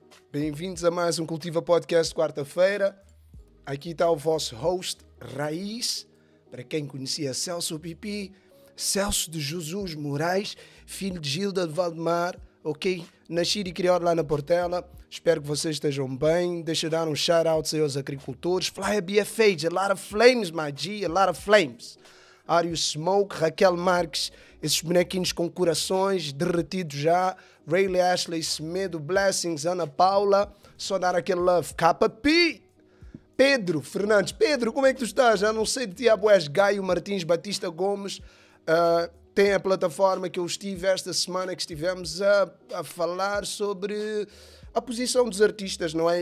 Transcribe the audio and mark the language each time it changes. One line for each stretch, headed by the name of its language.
Portuguese: Bem-vindos a mais um Cultiva Podcast quarta-feira. Aqui está o vosso host, Raiz. Para quem conhecia Celso Pipi, Celso de Jesus Moraes, filho de Gilda de Valdemar, ok? Nascido e criado lá na Portela. Espero que vocês estejam bem. Deixa eu dar um shout-out aos agricultores.
English: Fly a BFA, a lot of flames, my G, a lot of flames.
Portuguese: Ario Smoke, Raquel Marques, esses bonequinhos com corações, derretidos já. Rayleigh Ashley Semedo, Blessings, Ana Paula. Só dar aquele love, Kappa P. Pedro Fernandes. Pedro, como é que tu estás? Já não sei de ti, Abués Gaio Martins Batista Gomes. Tem a plataforma que eu estive esta semana, que estivemos a falar sobre a posição dos artistas, não é?